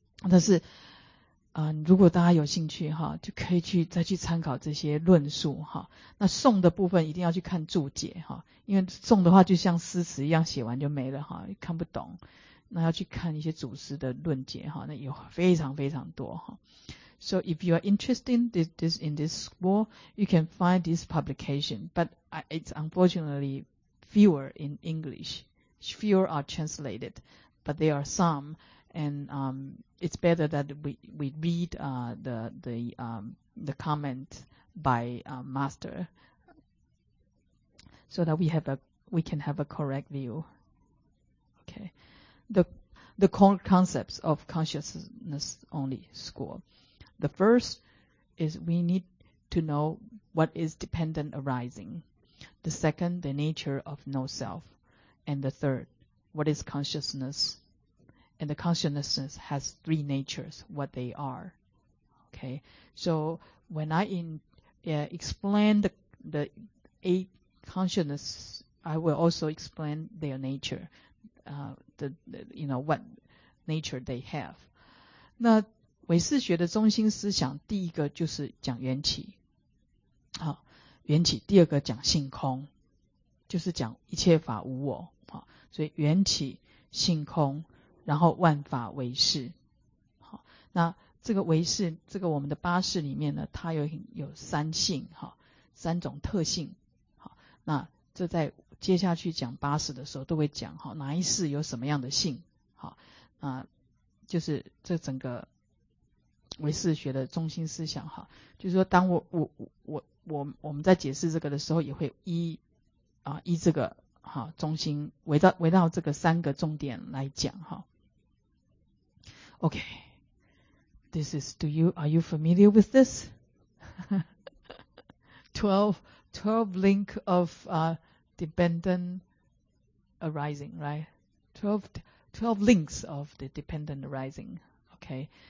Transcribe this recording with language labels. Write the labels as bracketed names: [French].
[Chinese] 但是如果大家有兴趣就可以再去参考这些论述。那诵的部分一定要去看注解，因为诵的话就像诗词一样写完就没了，看不懂，那要去看一些祖师的论解，那有非常非常多。 [English] So if you are interested in this school, you can find this publication, but it's unfortunately fewer in English. Fewer are translated, but there are some, and it's better that we read the comment by master, so that we can have a correct view. Okay, the core concepts of consciousness only school. The first is we need to know what is dependent arising. The second, the nature of no self. And the third, what is consciousness? And the consciousness has three natures, what they are. Okay. So when I explain the eight consciousness, I will also explain their nature, what nature they have. [Chinese] 那唯识学的中心思想，第一个就是讲缘起，缘起；第二个讲性空，就是讲一切法无我，好，所以缘起性空，然后万法为识。好，那这个为识，这个我们的八识里面呢，它 有三性，好，三种特性。好，那这在接下去讲八识的时候都会讲，好，哪一识有什么样的性。好，那就是这整个唯识学的中心思想，哈，就是说当我们在解释这个的时候，也会依这个哈中心，围绕这个三个重点来讲，哈。 [English] OK, this is, do you, are you familiar with this? 12 link of dependent arising, right? 12 links of the dependent arising, okay?